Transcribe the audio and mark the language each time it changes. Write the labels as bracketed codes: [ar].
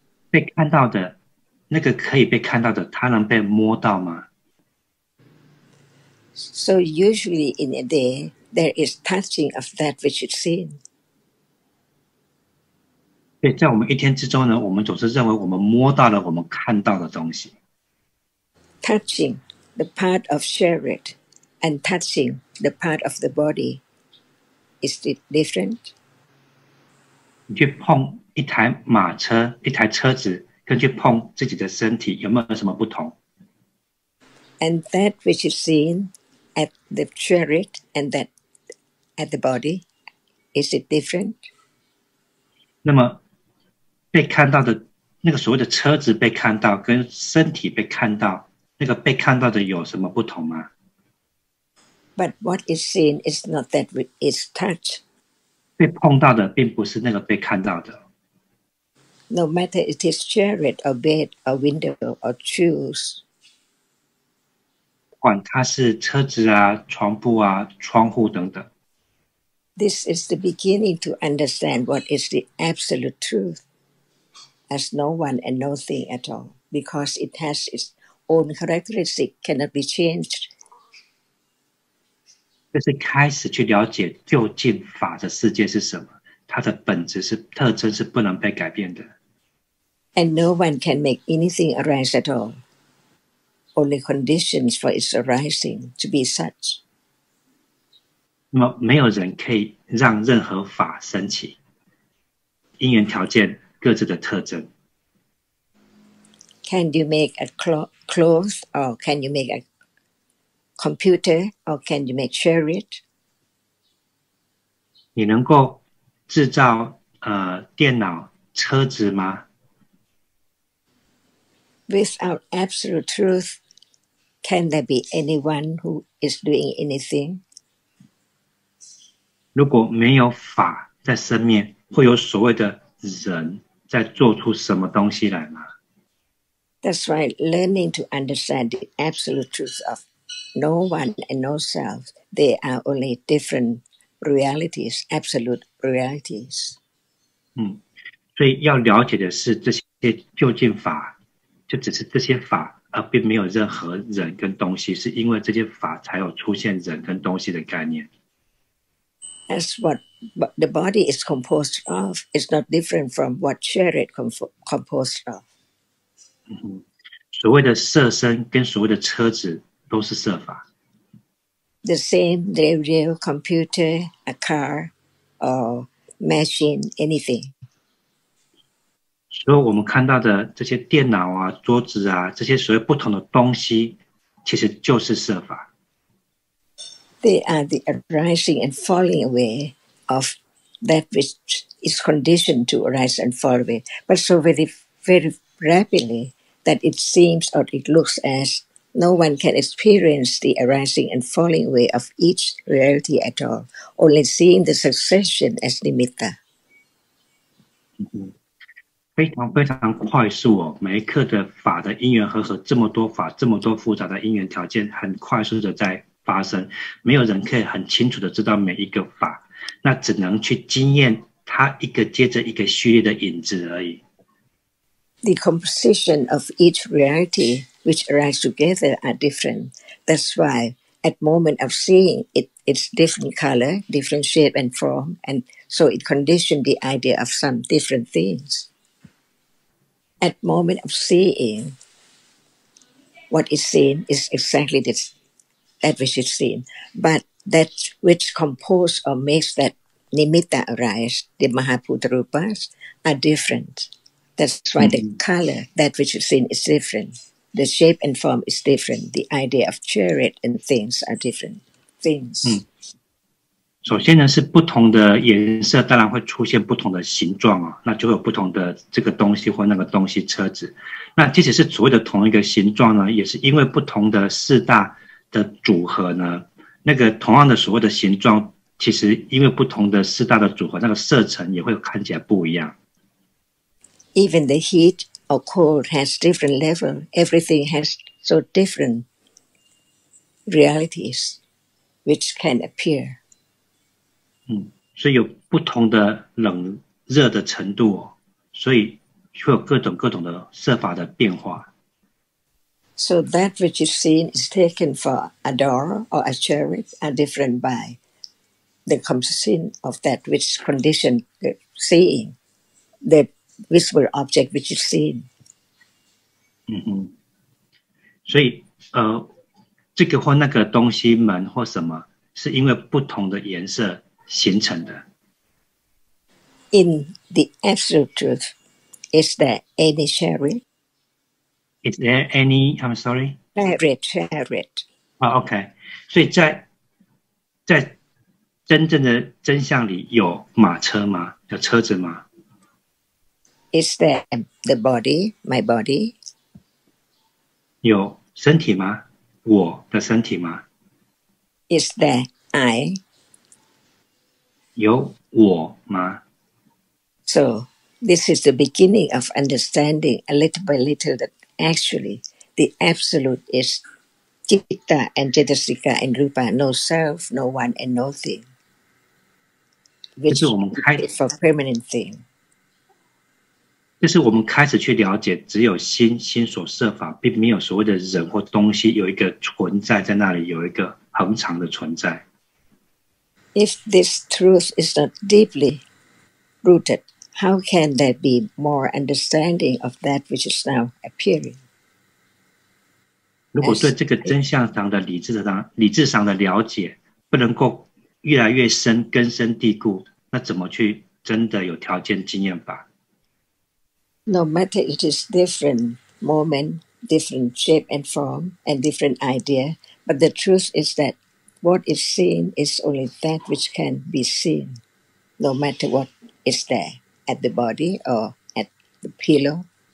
[zh] 被看到的，那个可以被看到的，它能被摸到吗？ [en] So usually in a day, there is touching of that which is seen. [zh] 对，在我们一天之中呢，我们总是认为我们摸到了我们看到的东西。 [en] Touching the part of chariot and touching the part of the body, is it different? [zh] 你去碰一台马车，一台车子，跟去碰自己的身体，有没有什么不同？ [en] And that which is seen,At the chariot and that at the body, is it different? [zh] 那么被看到的那个所谓的车子被看到跟身体被看到那个被看到的有什么不同吗？ [en] But what is seen is not that which is touched. [zh] 被碰到的并不是那个被看到的。 [en] No matter it is chariot or bed or window or shoes. [zh] 管它是车子啊、床铺啊、窗户等等。 [en] This is the beginning to understand what is the absolute truth, as no one and no thing at all, because it has its own characteristic, cannot be changed. [zh] 这是开始去了解究竟法的世界是什么，它的本质是特征是不能被改变的。 [en] And no one can make anything arise at all, only conditions for its arising to be such. [zh] 那么没有人可以让任何法生起，因缘条件各自的特征。 [en] Can you make a cloth, or can you make a computer, or can you make chariot? [zh] 你能够制造电脑、车子吗 [en] ？Without absolute truth, can there be anyone who is doing anything? [zh] 如果没有法在生灭，会有所谓的人在做出什么东西来吗 [en] ？That's right. Learning to understand the absolute truth of no one and no self, they are only different realities, absolute realities. [zh] 所以要了解的是这些究竟法，就只是这些法，而并没有任何人跟东西，是因为这些法才有出现人跟东西的概念。 [en] As what the body is composed of is not different from what chariot composed of. [zh] 所谓的色身跟所谓的车子都是色法。 [en] The same radio, computer, a car, or machine, anything. [zh] 所以我们看到的这些电脑啊、桌子啊，这些所谓不同的东西，其实就是色法。 [en] They are the arising and falling away of that which is conditioned to arise and fall away, but so very, very rapidly that it seems or it looks as no one can experience the arising and falling away of each reality at all, only seeing the succession as nimitta. [zh] 非常非常快速哦，每一刻的法的因缘和合，这么多法，这么多复杂的因缘条件，很快速的在。发生，没有人可以很清楚的知道每一个法，那只能去经验它一个接着一个序列的影子而已。 [en] The composition of each reality which arise together are different. That's why at moment of seeing it, it's different color, different shape and form, and so it conditioned the idea of some different things. At moment of seeing, what is seen is exactly this. That which is seen, but that which compose or makes that nimitta arise, the Mahabhuta Rupas, are different. That's why the color, that which is seen, is different. The shape and form is different. The idea of chariot and things are different things. [zh] 首先呢，是不同的颜色，当然会出现不同的形状啊，那就会有不同的这个东西或那个东西，车子。那即使是所谓的同一个形状呢，也是因为不同的四大。的组合呢，那个同样的所谓的形状，其实因为不同的四大的组合，那个色层也会看起来不一样。 [en] Even the heat or cold has different level. Everything has so different realities which can appear. [zh] 所以有不同的冷热的程度，所以会有各种各种的色法的变化。 [en] So that which is seen is taken for a door or a chariot are different by the composition of that which condition the seeing, the visible object which is seen. [zh] 所以这个或那个东西门或什么是因为不同的颜色形成的。 [en] In the absolute truth, is there any chariot? Is there any, I'm sorry? Chariot. Oh, okay. [zh] 所以在真正的真相里有马车吗？有车子吗？ [en] Is there the body, my body? [zh] 有身体吗？我的身体吗？ [en] Is there I? [zh] 有我吗？ [en] So, This is the beginning of understanding a little by little that actually the absolute is citta and cetasika and rupa, no self, no one and no thing. Which is a permanent thing. [zh] 就是我们开始去了解只有心心所设法并没有所谓的人或东西有一个存在在那里有一个恒常的存在。 [en] If this truth is not deeply rooted, how can there be more understanding of that which is now appearing? [zh] 如果对这个真相上的理智上的了解不能够越来越深根深蒂固那怎么去真的有条件经验法 [en] No matter it is different moment, different shape and form, and different idea, but the truth is that what is seen is only that which can be seen, no matter what is there, at the body or at the pillow.